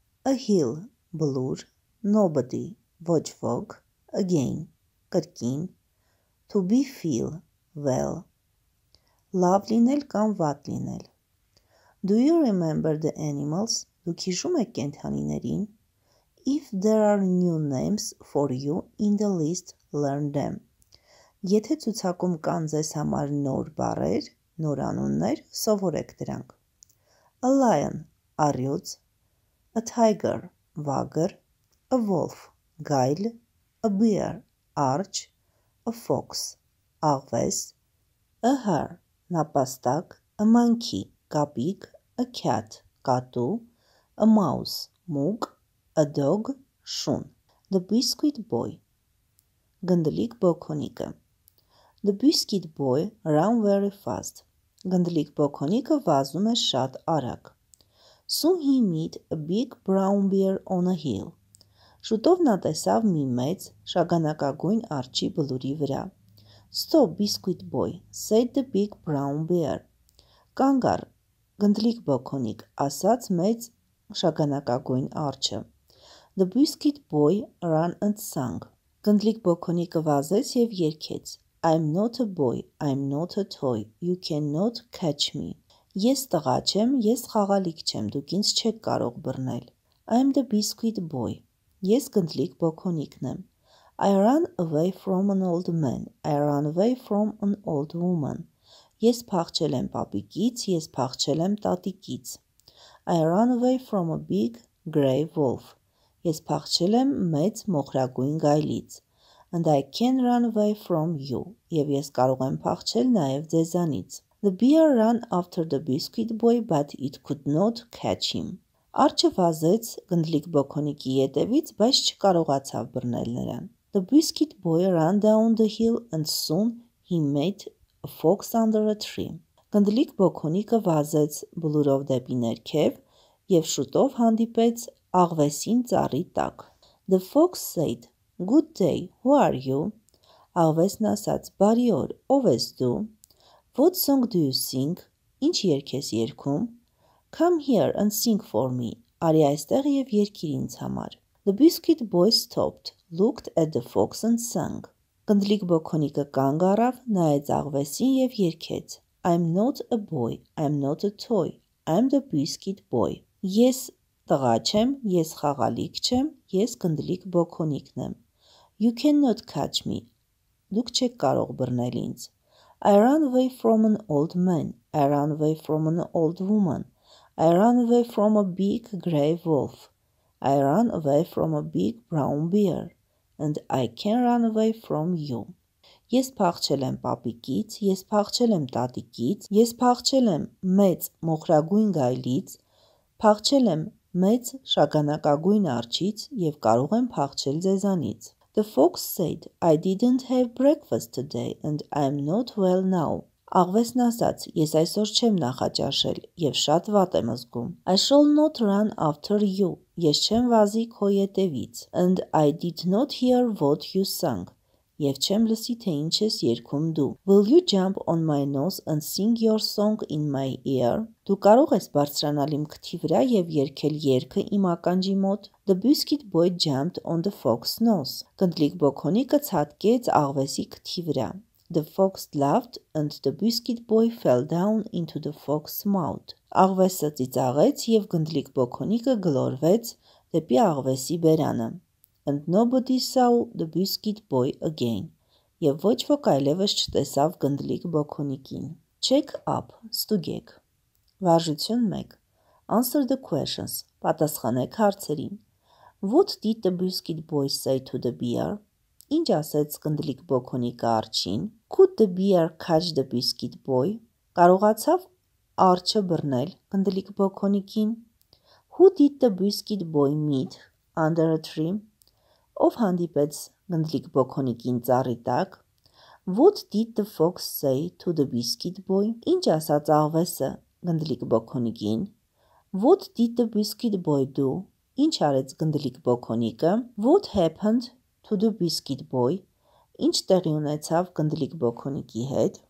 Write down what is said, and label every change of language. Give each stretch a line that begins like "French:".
English: A hill, blur. Nobody,
Armenian: ոչ ոք.
English: Again, կրկին. To be feel, well.
Armenian: Լավ լինել կամ վատ լինել.
English: Do you remember the animals?
Armenian: Դուք հիշում եք կենդանիներին?
English: If there are new names for you in the list, learn them.
Armenian: Եթե ցուցակում կան ձեզ համար նոր բառեր, նոր անուններ, սովորեք դրանք.
English: A lion, առյուծ. A tiger, վագր. A wolf, գայլ. A bear, արջ. A fox, աղվես. A hare, նապաստակ. A monkey, կապիկ. A cat, կատու. A mouse, մուկ. A dog, շուն. The biscuit boy, գնդլիկ բոքոնիկը. The biscuit boy ran very fast.
Armenian: Գնդլիկ բոքոնիկը վազում է շատ արագ.
English: Soon he met a big brown bear on a hill.
Armenian: Շուտով նա տեսավ մի մեծ շագանակագույն արջի բլուրի վրա.
English: Stop, biscuit boy, said the big brown bear.
Armenian: Կանգ առ, գնդլիկ բոքոնիկ, ասաց մեծ շագանակագույն արջը.
English: The biscuit boy ran and sang.
Armenian: Գնդլիկ բոքոնիկը վազեց և երգեց.
English: I'm not a boy, I'm not a toy, you cannot catch me.
Armenian: Ես տղա չեմ, ես խաղալիք չեմ, դուք ինձ չեք կարող բռնել.
English: I'm the biscuit boy.
Armenian: Ես գնդլիկ բոքոնիկն եմ.
English: I ran away from an old man, I ran away from an old woman.
Armenian: Ես փախչել եմ պապիկից, ես փախչել եմ տատիկից.
English: I ran away from a big gray wolf.
Armenian: Ես փախչել եմ մեծ մոխրագույն գայլից.
English: And I can run away from you.
Armenian: Եվ ես կարող եմ փախչել նաև ձեզանից.
English: The bear ran after the biscuit boy, but it could not catch him.
Armenian: Արջը վազեց գնդլիկ բոքոնիկի ետևից, բայց չկարողացավ բռնել նրան.
English: The biscuit boy ran down the hill and soon he met a fox under a tree.
Armenian: Գնդլիկ բոքոնիկը վազեց բլուրով դեպի ներքև և շուտով հանդիպեց աղվեսին ծառի տակ.
English: The fox said, Good day, who are you?
Armenian: Աղվեսն ասաց, Բարի օր, ով ես դու?
English: What song do you sing?
Armenian: Ինչ երգ ես երգում?
English: Come here and sing for me.
Armenian: Արի այստեղ և երգիր ինձ համար.
English: The biscuit boy stopped, looked at the fox and sang.
Armenian: Գնդլիկ բոքոնիկը կանգ առավ, նայեց աղվեսին և երգեց.
English: I'm not a boy, I'm not a toy, I'm the biscuit boy.
Armenian: Ես տղա չեմ, ես խաղալիք չեմ, ես գնդլիկ բոքոնիկն եմ.
English: You cannot catch me.
Armenian: Դուք չեք կարող բռնել ինձ.
English: I ran away from an old man, I ran away from an old woman, I ran away from a big gray wolf, I ran away from a big brown bear, and I can run away from you.
Armenian: Ես փախչել եմ պապիկից, ես փախչել եմ տատիկից, ես փախչել եմ մեծ մոխրագույն գայլից, փախչել եմ մեծ շագանակագույն արջից և կարող եմ փախչել ձեզանից.
English: The fox said, I didn't have breakfast today and I'm not well now.
Armenian: Աղվեսն ասաց, ես այսօր չեմ նախաճաշել և շատ վատ եմ ազգում.
English: I shall not run after you.
Armenian: Ես չեմ վազի քո ետևից.
English: And I did not hear what you sang.
Armenian: Եվ չեմ լսի, թե ինչ ես երգում դու.
English: Will you jump on my nose and sing your song in my ear?
Armenian: Դու կարող ես բարձրանալ իմ քթի վրա և երգել երգը իմ ականջի մոտ?
English: The biscuit boy jumped on the fox's nose.
Armenian: Գնդլիկ բոքոնիկը ցատկեց աղվեսի քթի վրա.
English: The fox laughed and the biscuit boy fell down into the fox's mouth.
Armenian: Աղվեսը ծիծաղեց և գնդլիկ բոքոնիկը գլորվեց դեպի աղվեսի բերանը.
English: And nobody saw the biscuit boy again.
Armenian: Եվ ոչ ոք այլևս չտեսավ գնդլիկ բոքոնիկին.
English: Check up.
Armenian: Ստուգեք. Վարժություն 1.
English: Answer the questions.
Armenian: Պատասխանեք հարցերին.
English: What did the biscuit boy say to the bear?
Armenian: Ինչ ասեց գնդլիկ բոքոնիկը արջին?
English: Could the bear catch the biscuit boy?
Armenian: Կարողացավ արջը բռնել գնդլիկ բոքոնիկին?
English: Who did the biscuit boy meet under a tree?
Armenian: Ով հանդիպեց գնդլիկ բոքոնիկին ծառի տակ?
English: What did the fox say to the biscuit boy?
Armenian: Ինչ ասաց աղվեսը գնդլիկ բոքոնիկին?
English: What did the biscuit boy do?
Armenian: Ինչ արեց գնդլիկ բոքոնիկը?
English: What happened to the biscuit boy?
Armenian: Ինչ տեղի ունեցավ գնդլիկ բոքոնիկի հետ?